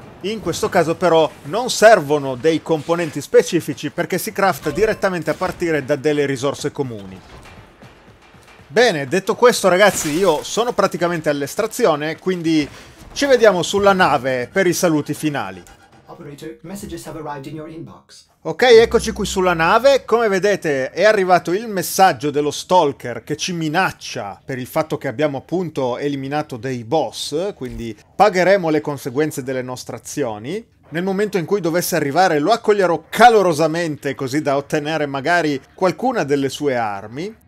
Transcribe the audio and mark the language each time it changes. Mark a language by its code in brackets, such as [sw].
[it] In questo caso però non servono dei componenti specifici perché si crafta direttamente a partire da delle risorse comuni. Bene, detto questo ragazzi, io sono praticamente all'estrazione, quindi ci vediamo sulla nave per i saluti finali. [en] Operator, messages have arrived in your inbox. [it] Ok, eccoci qui sulla nave. Come vedete è arrivato il messaggio dello Stalker che ci minaccia per il fatto che abbiamo appunto eliminato dei boss, quindi pagheremo le conseguenze delle nostre azioni. Nel momento in cui dovesse arrivare lo accoglierò calorosamente così da ottenere magari qualcuna delle sue armi.